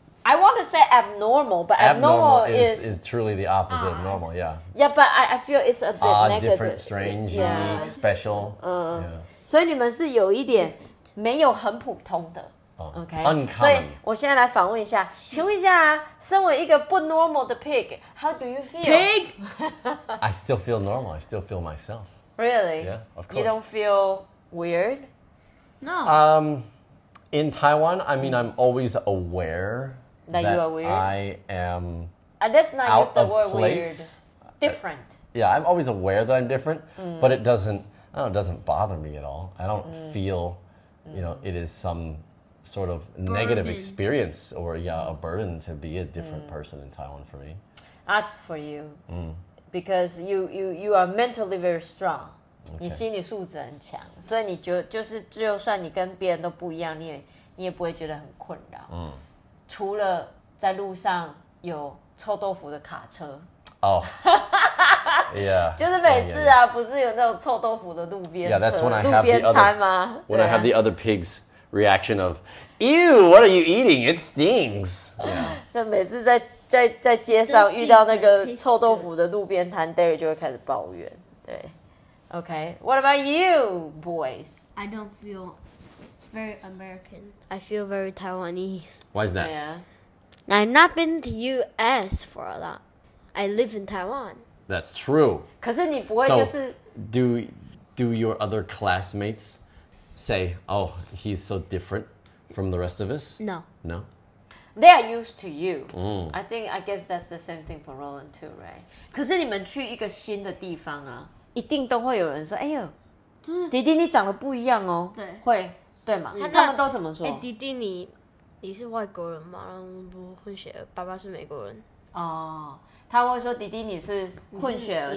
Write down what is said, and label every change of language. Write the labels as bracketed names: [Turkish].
[English] I want to say abnormal, but abnormal is truly the opposite of normal, yeah. Yeah, but I feel it's a bit negative. Different, strange, unique, special. [Chinese] 所以你们是有一点没有很普通的。 [English] Okay? Uncommon. [Chinese] 所以我现在来访问一下，请问一下，身为一个不 normal 的 pig, [English] how do you feel? Pig? I still feel normal. I still feel myself. Really? Yeah, of course. You don't feel weird? No. In Taiwan, I mean, I'm always aware that you are weird. I am that's not out use the of word place. Weird. Different. Yeah, I'm always aware that I'm different, but it doesn't, it doesn't bother me at all. I don't feel, you know, it is some sort of negative experience or, a burden to be a different person in Taiwan for me. That's for you. Because you are mentally very strong. Okay. [Chinese] 你心理素质很强，所以你觉得就是，就算你跟别人都不一样，你也不会觉得很困扰。嗯，除了在路上有臭豆腐的卡车。 [English] 哦、oh. ，Yeah， [Chinese] 就是每次啊， [English] yeah. [Chinese] 不是有那种臭豆腐的路边车 [English] ？Yeah， that's when I have the other time 吗？When I have the other pigs' reaction of, "Ew, what are you eating? It stings." Yeah， [Chinese] 那每次在街上遇到那个臭豆腐的路边摊 ，Derry 就会开始抱怨。 [English] 对。Okay, what about you, boys? I don't feel very American. I feel very Taiwanese. Why is that? Yeah. I've not been to U.S. for a lot. I live in Taiwan. That's true. [Chinese] 可是你不会就是 [English] Do your other classmates say, oh, he's so different from the rest of us? No. No? They are used to you.、 Mm. I guess that's the same thing for Roland too, right? [Chinese] 可是你们去一个新的地方啊一定都会有人说：“哎呦，就是弟弟，你长得不一样哦。” 对，会，对嘛？他们都怎么说？哎，弟弟，你是外国人吗？不，混血儿，爸爸是美国人。哦，他会说：“弟弟，你是混血儿。”